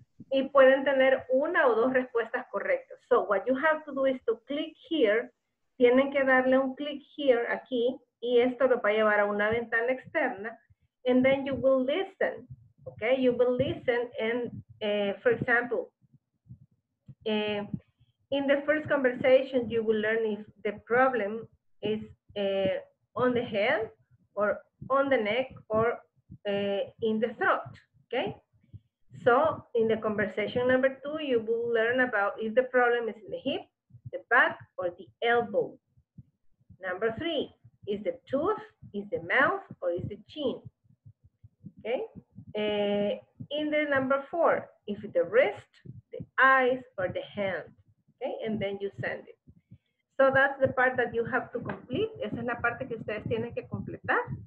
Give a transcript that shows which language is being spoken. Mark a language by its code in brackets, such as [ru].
[es] Y pueden tener una o dos respuestas correctas. [en] So what you have to do is to click here. [es] Tienen que darle un click here aquí. Y esto lo va a llevar a una ventana externa. [en] And then you will listen. Okay, you will listen and, for example, in the first conversation, you will learn if the problem is on the head or on the neck or in the throat. Okay, so in the conversation number two, you will learn about if the problem is in the hip, the back, or the elbow. Number three, is the tooth, is the mouth, or is the chin? Okay. In the number four, if the wrist, the eyes, or the hand, okay, and then you send it. So that's the part that you have to complete. [es] Esa es la parte que ustedes tienen que completar.